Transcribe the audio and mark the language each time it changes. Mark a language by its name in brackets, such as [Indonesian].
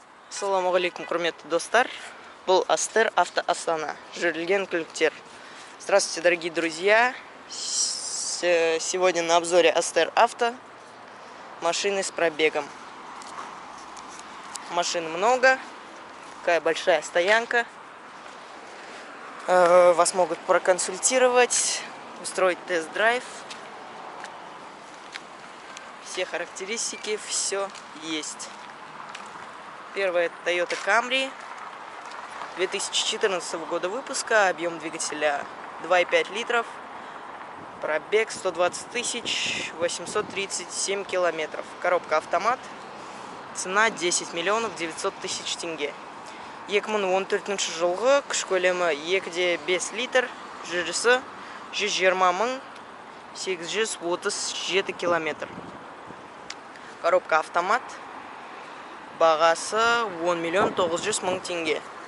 [Kazakh] Ассаламу алейкум, құрметті достар. Бұл Астер Авто Астана. Жүрілген көліктер. [Russian] Здравствуйте, дорогие друзья. Сегодня на обзоре Астер Авто. Машины с пробегом. Машин много. Такая большая стоянка. Вас могут проконсультировать, устроить тест-драйв. Все характеристики, все есть. Первая Toyota Camry 2014 года выпуска, объем двигателя 2,5 литров, пробег 120 тысяч 837 километров, коробка автомат, цена 10 миллионов 900 тысяч тенге. [Kazakh] 2014 жылғы, күш көлемі 2,5 литр, жүрісі 120 мың 837 километр. Коробка автомат. Бағасы 10 миллион 900 мың теңге.